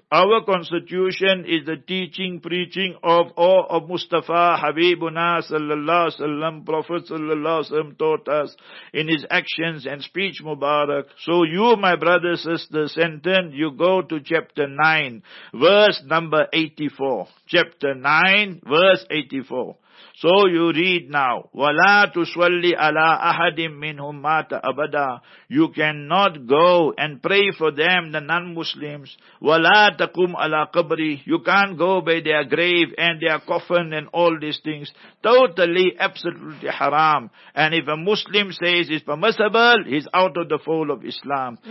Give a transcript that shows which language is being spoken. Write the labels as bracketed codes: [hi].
[en] Our constitution is the teaching, preaching of all of Mustafa, Habibuna, Sallallahu Alaihi Wasallam, Prophet Sallallahu Alaihi Wasallam taught us in his actions and speech, Mubarak. So you, my brother, sister, sentence, you go to chapter 9, verse number 84. Chapter 9, verse 84. So you read now, [ar] وَلَا تُسْوَلِّ عَلَىٰ أَحَدٍ مِّنْهُمْ مَاتَ أَبَدًا. [en] You cannot go and pray for them, the non-Muslims. [ar] وَلَا تَقُمْ عَلَىٰ قَبْرِ. [en] You can't go by their grave and their coffin and all these things. Totally, absolutely haram. And if a Muslim says it's permissible, he's out of the fold of Islam.